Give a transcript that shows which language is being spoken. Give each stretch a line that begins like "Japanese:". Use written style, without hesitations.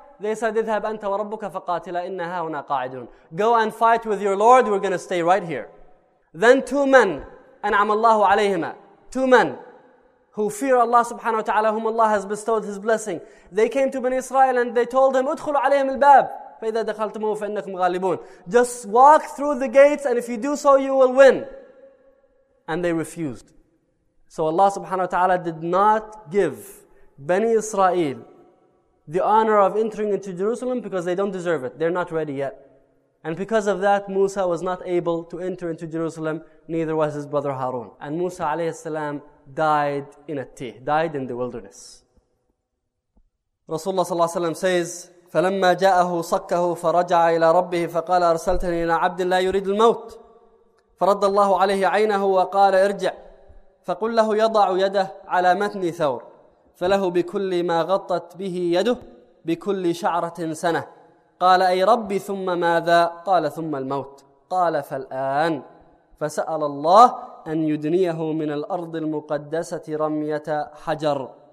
English: They said,
Arabic: اذهب أنت وربك فقاتلا إن هاهنا قاعدون.
English: Go and fight with your Lord, we're going to stay right here. Then two men,
Arabic: أنعم الله عليهما,
English: two men who fear Allah subhanahu wa ta'ala, whom Allah has bestowed His blessing, they came to Bani Israel and they told him,
Arabic: ادخلوا عليهم الباب. فَإِذَا دَخَلْتُمُهُ فَإِنَّكُمْ غَالِبُونَ
English: Just walk through the gates and if you do so, you will win. And they refused. So Allah subhanahu wa ta'ala did not give Bani Israel the honor of entering into Jerusalem because they don't deserve it. They're not ready yet. And because of that, Musa was not able to enter into Jerusalem, neither was his brother Harun. And Musa alayhi salam died in a tih, died in the wilderness. Rasulullah sallallahu alayhi wasallam says,
Arabic: فلما جاءه صكه فرجع إلى ربه فقال أرسلتني إلى عبد لا يريد الموت فرد الله عليه عينه وقال ارجع فقل له يضع يده على متن ثور فله بكل ما غطت به يده بكل شعرة سنة قال أي ربي ثم ماذا قال ثم الموت قال فالآن فسأل الله أن يدنيه من الأرض المقدسة رمية حجر